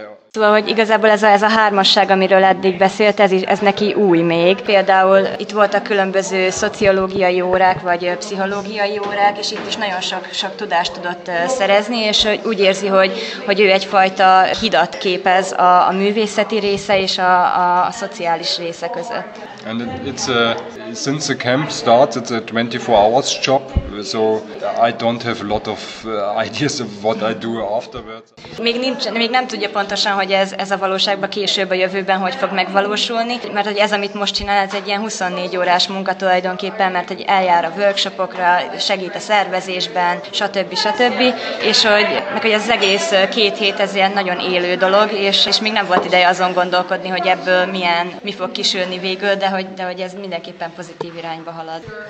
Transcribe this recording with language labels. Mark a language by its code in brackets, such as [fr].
[hu] Szóval, hogy igazából ez a hármasság, amiről eddig beszélt, ez neki új még. Például itt voltak különböző szociológiai órák, vagy pszichológiai órák, és itt is nagyon sok tudást tudott szerezni, és úgy érzi, hogy ő egyfajta hidat képez a művészeti része és a szociális része között. [en] And since the camp starts, it's a 24 hours job, so I don't have a lot of ideas of what I do afterwards. [hu] Még nem tudja pontosan, hogy ez a valóságban később, a jövőben hogy fog megvalósulni, mert hogy ez, amit most csinál, ez egy ilyen 24 órás munka tulajdonképpen, mert hogy eljár a workshopokra, segít a szervezésben, stb., és hogy az egész két hét ez ilyen nagyon élő dolog, és még nem volt ideje azon gondolkodni, hogy ebből mi fog kisülni végül, de hogy ez mindenképpen pozitív irányba halad.